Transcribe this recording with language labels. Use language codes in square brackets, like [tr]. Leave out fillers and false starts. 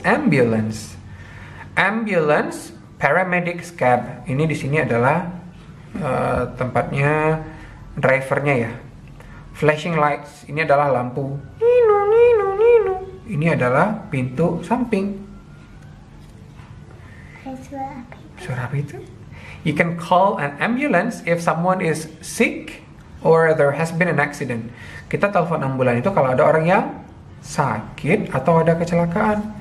[id] Ambulans. Ambulans paramedics cab. Ini di sini adalah tempatnya drivernya ya. Flashing lights, ini adalah lampu. Nino, nino, nino. Ini adalah pintu samping. Suara apa itu? [en] You can call an ambulance if someone is sick or there has been an accident. [id] Kita telepon ambulan itu kalau ada orang yang sakit atau ada kecelakaan.